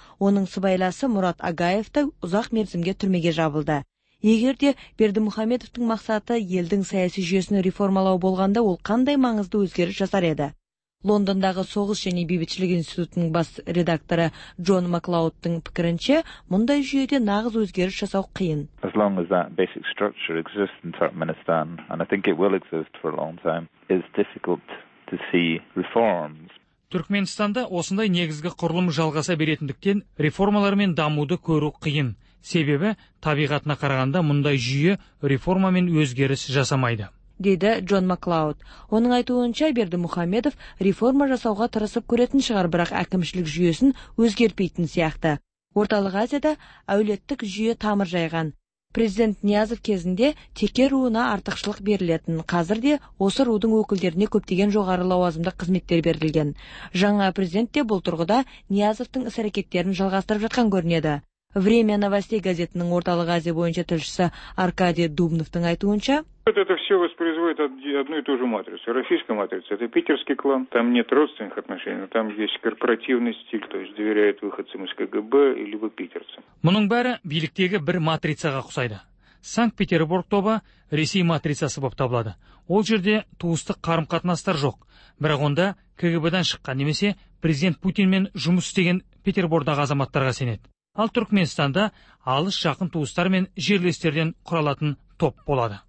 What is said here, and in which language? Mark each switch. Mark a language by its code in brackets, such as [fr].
[kk] Оның сыбайласы Мұрат Агаев та ұзақ мерзімге түрмеге жабылды. Егер де Бердімұхамедовтың мақсаты елдің саяси жүйесін реформалау болғанда, ол қандай маңызды өзгеріс жасар еді? Лондондағы Соғыс және бейбітшілік институтының бас редакторы Джон Маклаудтың пікірінше, мұндай жүйеде нағыз өзгеріс жасау қиын. [en] As long as that basic structure exists in Turkmenistan, and I think it will exist for a long time, it's difficult to see reforms. [kk] Түркменстанда осындай негізгі құрылым жалғаса беретіндіктен реформалар мен дамуды көру қиын. Себебі табиғатына қарағанда мұндай жүйе реформа мен өзгеріс жасамайды. дейді Джон Маклауд. Оның айтуынша, Берді Мұхамедов реформа жасауға тырысып көретін шығар, бірақ әкімшілік жүйесін өзгертпейтін сияқты. Орталық Азияда әулеттік жүйе тамыр жайған. Президент Ниязов кезінде теке руына артықшылық берілетін, қазір де осы рудың өкілдеріне көптеген жоғары лауазымдық қызметтер берілген. Жаңа президент те бұл тұрғыда Ниязовтың іс-әрекеттерін жалғастырып жатқан көрінеді. «Время новостей» газетінің Орталық Азия бойынша тілшісі Аркадий Дубновтың айтуынша, [ru] это все воспроизводит одну и ту же матрицу. Российская матрица – это питерский клан. Там нет родственных отношений, но там есть корпоративный стиль, то есть доверяют выходцам из КГБ или вы питерцам. [kk] Мұның бәрі биліктегі бір матрицаға құсайды. Санкт-Петербург тобы Ресей матрицасы боп табылады. Ол жерде туыстық қарым-қатынастар жоқ. Бірақ онда КГБ-дан шыққан немесе президент Путинмен жұмыс істеген Петербордағы азаматтарға сенеді. Ал Түркменстанда алыс жақын туыстар мен жерлестерден құралатын топ болады.